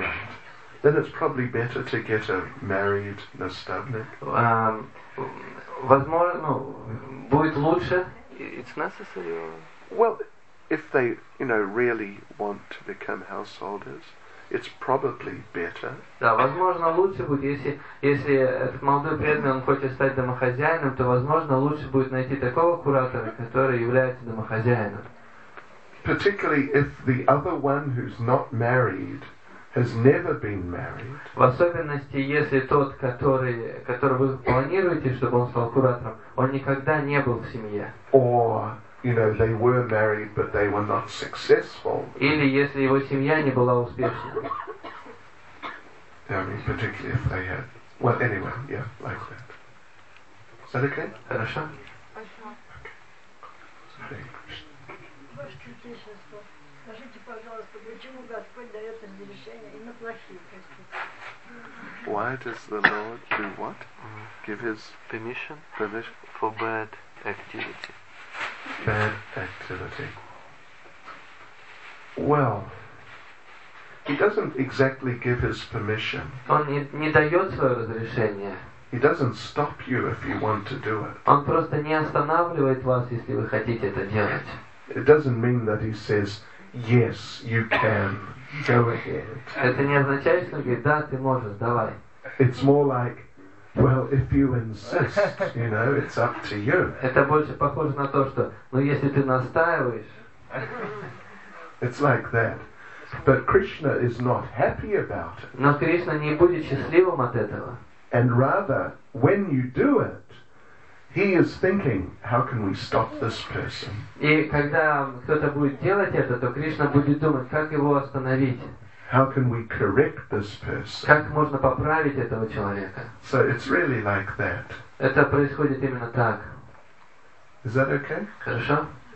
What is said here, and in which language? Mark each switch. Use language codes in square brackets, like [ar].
[en] Right. Then it's probably better to get a married nastavnik. [ru] Возможно, будет лучше. [en] It's necessary. Well, if they, you know, really want to become householders, it's probably better. [ru] Да, возможно, лучше будет, если этот молодой преданный, он хочет стать домохозяином, то, возможно, лучше будет найти такого куратора, который является домохозяином. [en] Particularly if the other one who's not married has never been married. [ru] В особенности, если тот, который вы планируете, чтобы он стал куратором, он никогда не был в семье. [en] Or, you know, they were married, but they were not successful. [ru] Или если его семья не была успешной. [en] I mean, particularly if they had. Well, anyway, yeah, like that. Is that okay? [ru] Хорошо. Хорошо. [en] Why does the Lord do what? Give his permission? Permission for bad activity. Bad activity. Well, he doesn't exactly give his permission. [ru] Он не дает свое разрешение. [en] He doesn't stop you if you want to do it. [ru] Он просто не останавливает вас, если вы хотите это делать. [en] It doesn't mean that he says, yes, you can, go ahead. [ru] Это не означает, что он говорит, да, ты можешь, давай. [en] It's more like, well, if you insist, you know, it's up to you. [ru] Это больше похоже на то, что, ну, если ты настаиваешь. [en] It's like that. But Krishna is not happy about it. [ru] Но Кришна не будет счастливым от этого. [en] And rather, when you do it, he is thinking, how can we stop this person? [ru] И когда кто-то будет делать это, то Кришна будет думать, как его остановить? [en] How can we correct this person? [ru] Как можно поправить этого человека? [en] So it's really like that. [ru] Это происходит именно так. [en] Is that okay? [ru] Хорошо.